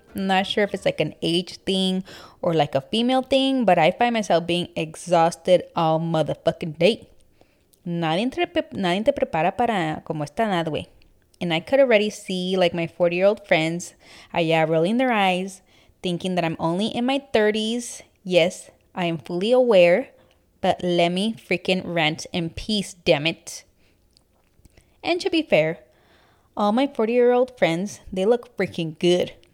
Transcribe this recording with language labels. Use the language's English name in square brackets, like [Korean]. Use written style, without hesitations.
[English] I'm not sure if it's like an age thing or like a female thing, but I find myself being exhausted all motherfucking day. [Spanish] Nadie te prepara para como esta edad, güey. [English] And I could already see like my 40-year-old friends [Spanish] allá [English] rolling their eyes, thinking that I'm only in my 30s. Yes, I am fully aware, but let me freaking rant in peace, damn it. And to be fair, all my 40-year-old friends, they look freaking good.